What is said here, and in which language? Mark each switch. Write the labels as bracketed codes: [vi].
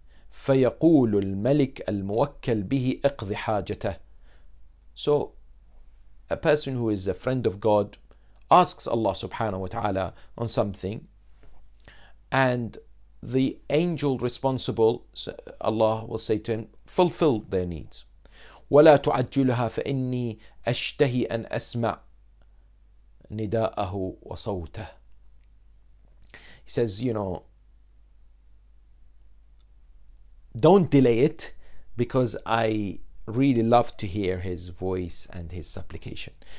[ar] فيقول الملك الموكل به اقضي حاجته. [en] So a person who is a friend of God asks Allah subhanahu wa ta'ala on something, and the angel responsible, Allah will say to him, fulfill their needs. [ar] ولا تعجلها فإني أشتهي أن أسمع نداءه وصوته. [en] He says, you know, don't delay it, because I really love to hear his voice and his supplication.